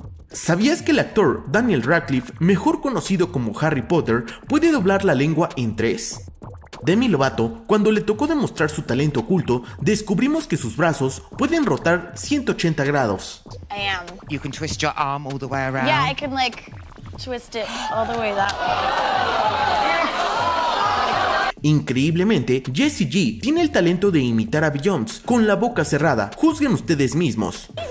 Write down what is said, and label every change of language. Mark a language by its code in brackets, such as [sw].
[es] ¿Sabías que el actor Daniel Radcliffe, mejor conocido como Harry Potter, puede doblar la lengua en tres? Demi Lovato, cuando le tocó demostrar su talento oculto, descubrimos que sus brazos pueden rotar 180 grados. [en] I am. You can twist your arm all the way around. Yeah, I can like twist it all the way that way. [es] Increíblemente, Jessie G tiene el talento de imitar a Beyoncé con la boca cerrada. Juzguen ustedes mismos.